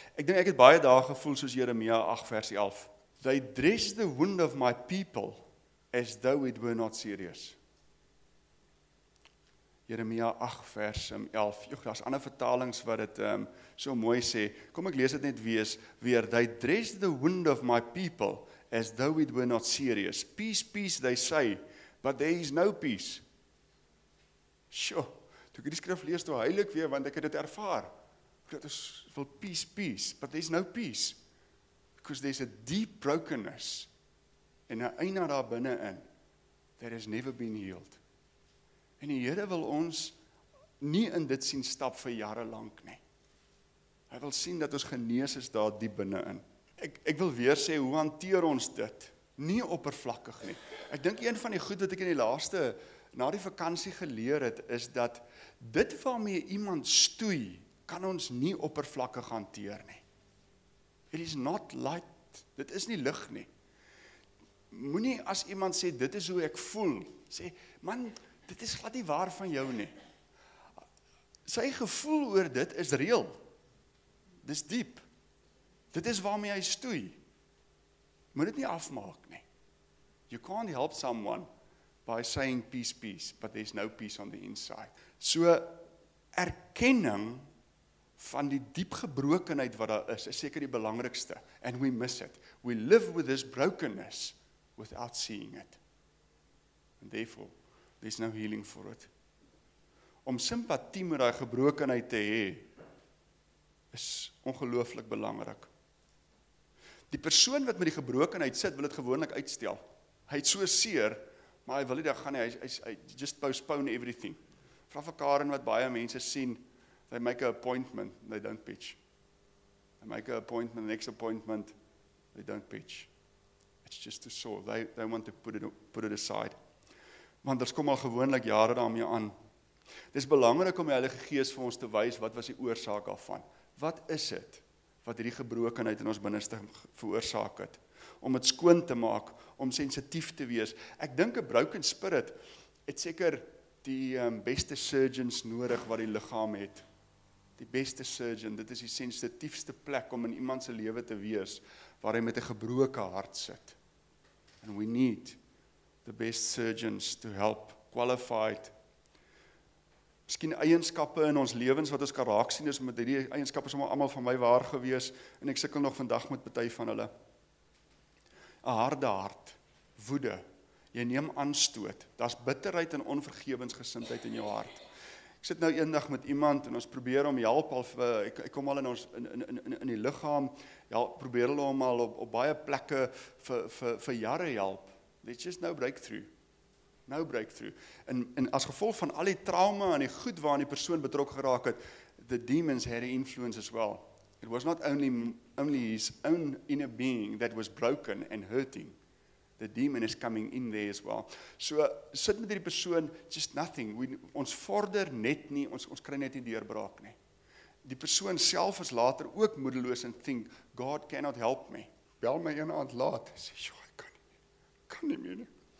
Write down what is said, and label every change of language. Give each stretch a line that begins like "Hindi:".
Afrikaans: Ek dink ek het baie dae gevoel soos Jeremia 8 vers 11.
English: They dress the wound of my people as though it were not serious.
Afrikaans: Jeremia 8 vers 11. Jo, daar is ander vertalings wat het so mooi sê. Kom ek lees het net weer.
English: They dress the wound of my people as though it were not serious. Peace, peace, they say, but there is no peace.
Afrikaans: Sjo, toe ek die skrif lees, toe huil ek weer, want ek het dit ervaar.
English: God is wil peace, peace, but there's no peace. Because there's a deep brokenness
Afrikaans: en 'n eina daar binne-in
English: that has never been healed.
Afrikaans: En die Here wil ons nie in dit sien stap vir jare lank nie. Hy wil sien dat ons genees is daar diep binne-in. Ek wil weer sê, hoe hanteer ons dit? Nie oppervlakkig nie. Ek dink een van die goed wat ek in die laaste, na die vakansie geleer het, is dat dit waarmee iemand stoei, kan ons nie oppervlakkig hanteer nie.
English: It is not light.
Afrikaans: Dit is nie lig nie. Moenie as iemand sê, dit is hoe ek voel, sê, man, dit is glad nie waar van jou nie. Sy gevoel oor dit is real. Dit is diep. Dit is waarmee hy stoei. Moet dit nie afmaak nie.
English: You can't help someone by saying peace, peace, but there's no peace on the inside. So, erkenning
Afrikaans: van die diep gebrokenheid wat daar is, is seker die belangrikste.
English: And we miss it. We live with this brokenness without seeing it. And therefore, there's no healing for it.
Afrikaans: Om sympathie met daai gebrokenheid te hê, is ongelooflik belangrik. Die persoon wat met die gebrokenheid sit, wil het gewoonlik uitstel. Hy het so seer, maar hy wil nie daar gaan nie, hy
English: just postpone everything.
Afrikaans: Vra vir Karen wat baie mense sien,
English: they make an appointment, they don't pitch. They make an appointment, the next appointment, they don't pitch. It's just too sore, they want to put it aside.
Afrikaans: Want daar kom al gewoonlik jare daarmee aan. Dit is belangrik om die Heilige Gees vir ons te wys, wat was die oorsaak daarvan? Wat is het, wat die gebrokenheid in ons binneste veroorsaak het? Om het skoon te maak, om sensitief te wees. Ek dink 'n
English: broken spirit
Afrikaans: het seker die beste surgeons nodig wat die liggaam het. Die beste surgeon, dit is die sensitiefste plek om in iemand se lewe te wees, waar hy met 'n gebroken hart sit.
English: And we need the best surgeons to help, qualified.
Afrikaans: Miskien eienskappe in ons lewens wat ons kan raak sien, is met hierdie eienskappe sommer almal van my waar gewees, en ek sukkel nog vandag met party van hulle. 'N harde hart, woede, jy neem aanstoot, daar's bitterheid en onvergewensgesindheid in jou hart. Ek sit nou eendag met iemand en ons probeer om help, ek kom al in ons in die liggaam, ja, probeer hulle om al op baie plekke vir jare help.
English: There's just no breakthrough. No breakthrough.
Afrikaans: En as gevolg van al die trauma en die goed waarin die persoon betrokke geraak het,
English: the demons had an influence as well. It was not only his own inner being that was broken and hurting. The demon is coming in there as well.
Afrikaans: So, sit met die persoon,
English: just nothing.
Afrikaans: Ons vorder net nie, ons kry net nie deurbraak nie. Die persoon self is later ook moedeloos en think,
English: God cannot help me.
Afrikaans: Bel my een aand laat. Sê, joh, ek kan nie. Kan nie meer nie.